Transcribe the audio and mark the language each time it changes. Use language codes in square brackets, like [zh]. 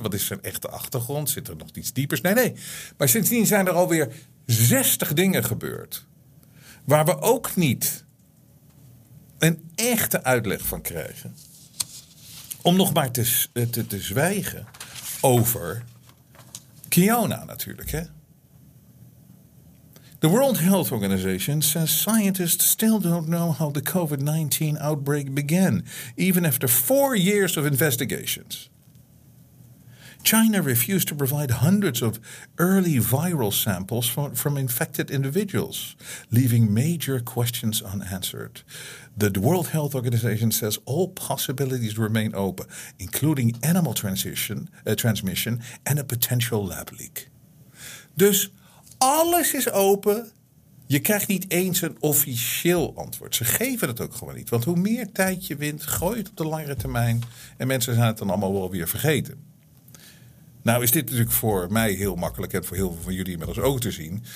[nl] Wat is zijn echte achtergrond? Zit er nog iets diepers? Nee. Maar sindsdien zijn er alweer 60 dingen gebeurd. Waar we ook niet een echte uitleg van krijgen. Om nog maar te zwijgen over Kiona natuurlijk. Hè? [en] The World Health Organization says scientists still don't know how the COVID-19 outbreak began, even after 4 years of investigations. China refused to provide hundreds of early viral samples from infected individuals, leaving major questions unanswered. The World Health Organization says all possibilities remain open, including animal transmission and a potential lab leak. [nl] Dus alles is open. Je krijgt niet eens een officieel antwoord. Ze geven het ook gewoon niet. Want hoe meer tijd je wint, gooi je het op de langere termijn en mensen zijn het dan allemaal wel weer vergeten. Nou is dit natuurlijk voor mij heel makkelijk en voor heel veel van jullie inmiddels ook te zien.